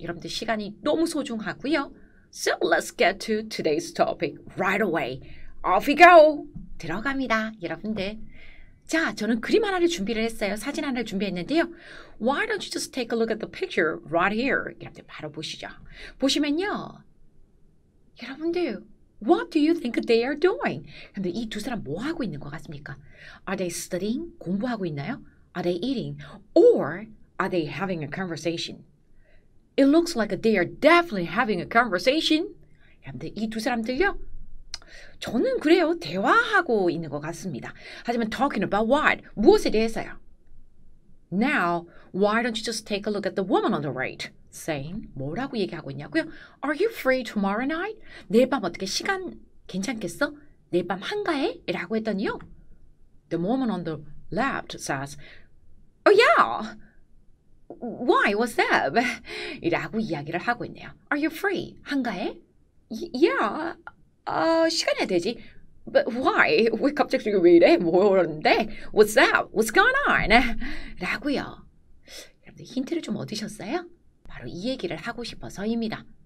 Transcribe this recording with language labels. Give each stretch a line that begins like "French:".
Korean: 여러분들 시간이 너무 소중하고요.
English: So let's get to today's topic right away. Off we go!
Korean: 들어갑니다, 여러분들. 자, 저는 그림 하나를 준비를 했어요. 사진 하나를 준비했는데요.
English: Why don't you just take a look at the picture right here?
Korean: 여러분들 바로 보시죠. 보시면요. 여러분들,
English: what do you think they are doing?
Korean: 근데 이 두 사람 뭐 하고 있는 것 같습니까?
English: Are they studying?
Korean: 공부하고 있나요?
English: Are they eating? Or are they having a conversation? It looks like they are definitely having a conversation.
Korean: 근데 이 두 사람들요? 저는 그래요. 대화하고 있는 것 같습니다. 하지만
English: talking about what?
Korean: 무엇에 대해서요?
English: Now, why don't you just take a look at the woman on the right? Saying,
Korean: 뭐라고 얘기하고 있냐고요?
English: Are you free tomorrow night?
Korean: 내일 밤 어떻게 시간 괜찮겠어? 내일 밤 한가해? 라고 했더니요.
English: The woman on the left says, Oh yeah, why, what's up?
Korean: 라고 이야기를 하고 있네요.
English: Are you free?
Korean: 한가해?
English: Yeah,
Korean: 시간이 되지.
English: But why?
Korean: 왜 갑자기 왜 이래? 뭐였는데?
English: What's up? What's going on?
Korean: 라고요. 여러분들 힌트를 좀 얻으셨어요? 바로 이 얘기를 하고 싶어서입니다.